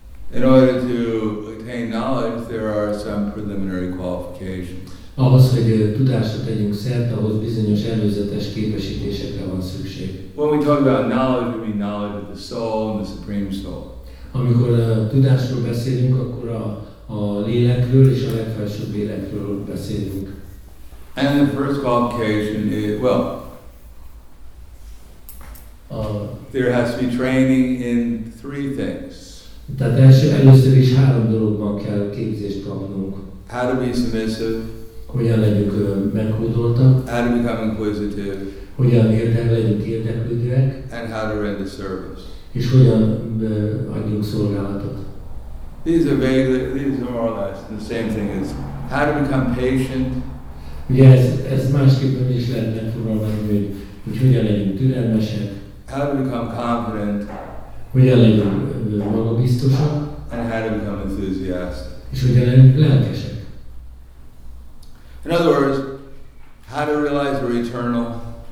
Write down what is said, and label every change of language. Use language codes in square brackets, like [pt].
[en] In order to attain knowledge, there are some preliminary qualifications. [hu] Ahhoz, hogy tudásra tegyünk szert, ahhoz bizonyos előzetes képesítésekre van szükség. [en] When we talk about knowledge, we mean knowledge of the soul and the supreme soul. [hu] Amikor tudásról beszélünk, akkor a lélekről és a legfelsőbb lélekről beszélünk. [en] And the first qualification is, well, there has to be training in three things. [hu] Tehát először is három dologban kell képzést kapnunk. [en] How to be submissive. [hu] Hogyan legyünk meghódoltak? [en] How to become inquisitive. [hu] Hogyan legyünk érdeklődőek? [en] And how to render service. [hu] És hogyan adjunk szolgálatot? [en] These are more or less the same thing as how to become patient. [hu] Ugye ez másképpen is lehet megfogalmazni, hogy hogyan legyünk türelmesek? [en] How to become confident. [hu] Hogyan legyünk magabiztosak? [en] And how to become enthusiastic. [hu] És hogyan legyünk lelkesek? [en] In other words, how to realize we're eternal.